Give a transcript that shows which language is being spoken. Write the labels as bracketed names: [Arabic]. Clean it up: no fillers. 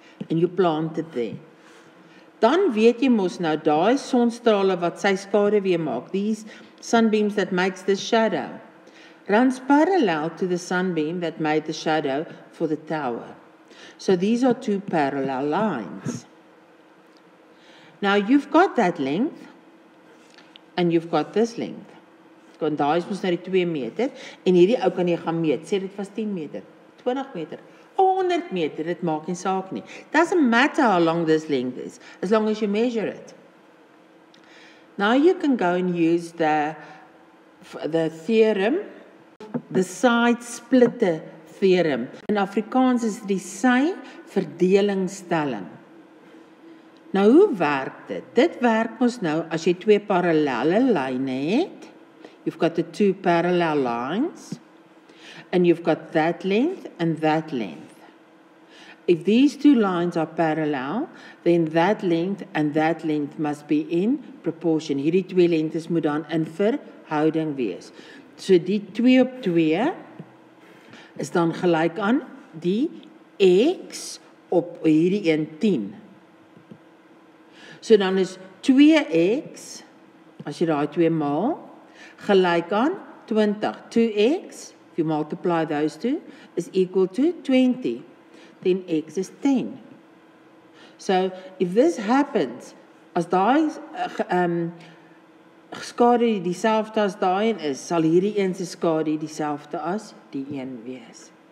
[English] And you plant it there. [Afrikaans] Dan weet jy mos nou, daai sonstrale wat sy skaduwee maak, [English] these sunbeams that makes the shadow, runs parallel to the sunbeam that made the shadow for the tower. So these are two parallel lines. Now you've got that length, and you've got this length. [Afrikaans] Kon daar is ons na die 2 meter, en hierdie ou kan jy gaan meet, sê dit was 10 meter, 20 meter, 100 meter, dit maak nie saak nie. [English] Doesn't matter how long this length is, as long as you measure it. Now you can go and use the theorem, the side splitter theorem. [Afrikaans] In Afrikaans is die sy verdelingstelling. Nou, hoe werk dit? Dit werk ons nou, as jy twee parallelle lijne het. [English] You've got the two parallel lines. And you've got that length and that length. If these two lines are parallel, then that length and that length must be in proportion. [Afrikaans] Hierdie twee lengtes moet dan in verhouding wees. So die 2 op 2 is dan gelyk aan die x op hierdie 1 10. So dan is 2x, as jy daai 2 maal, gelyk aan 20. [English] 2x, if you multiply those two, is equal to 20. Then x is 10. [Afrikaans] So if this happens, as daai skadu dieselfde as daai een is, sal hierdie een se skadu dieselfde as die een wees.